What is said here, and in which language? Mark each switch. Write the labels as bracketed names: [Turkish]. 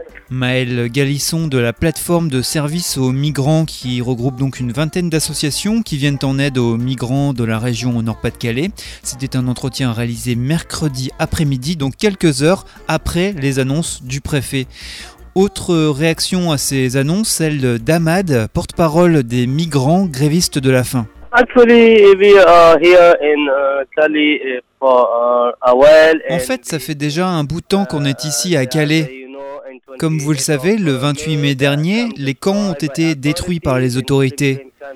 [French] Maëlle Galisson de la plateforme de services aux migrants qui regroupe donc une vingtaine d'associations qui viennent en aide aux migrants de la région au Nord-Pas-de-Calais. C'était un entretien réalisé mercredi après-midi, donc quelques heures après les annonces du préfet. Autre réaction à ces annonces, celle d'Ahmad, porte-parole des migrants grévistes de la faim. [English] Actually, we are here in Calais for a while. [French] En fait, ça fait déjà un bout de temps qu'on est ici à Calais. Comme vous le savez, le 28 mai dernier, les camps ont été détruits par les autorités.